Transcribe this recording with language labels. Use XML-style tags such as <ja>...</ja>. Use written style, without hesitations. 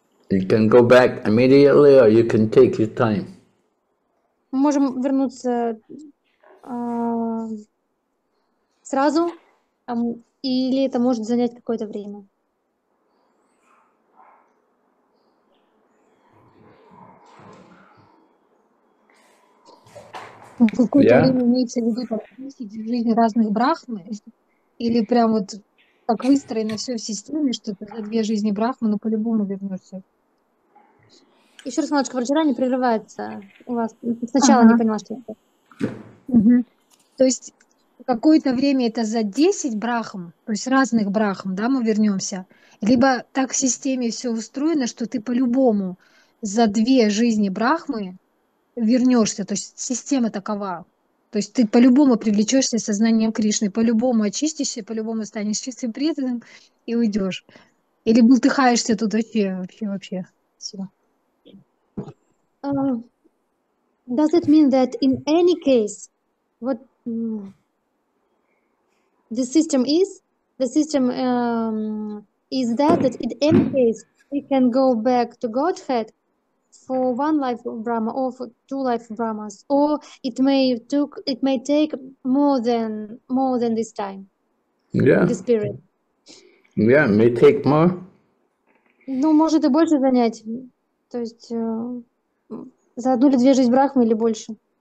<en>You can go back immediately or you can take your time.</en> <ru>Мы можем вернуться сразу. Или это может занять какое-то время? какое-то время имеется в виду практически в жизни разных брахмы? Или прям вот как выстроено все в системе, что ты за две жизни брахмы, ну, по-любому вернешься? Еще раз, малышка, вчера не прерывается у вас. Сначала не поняла, что это. То есть какое-то время это за 10 брахм, то есть разных брахм, да, мы вернемся. Либо так в системе все устроено, что ты по-любому за две жизни брахмы вернешься, то есть система такова. То есть ты по-любому привлечешься сознанием Кришны, по-любому очистишься, по-любому станешь чистым преданным и уйдешь. Или бултыхаешься тут вообще, вообще, вообще. Все.</ru> <en>Does it mean that in any case, what the system is? The system is that, that in any case we can go back to Godhead for one life of Brahma or for two life of Brahmas, or it may take more than this time. Yeah. This period. Yeah, may take more.</en> <ru>Ну, может и больше занять. То есть за одну или две жизни брахмы или больше.</ru>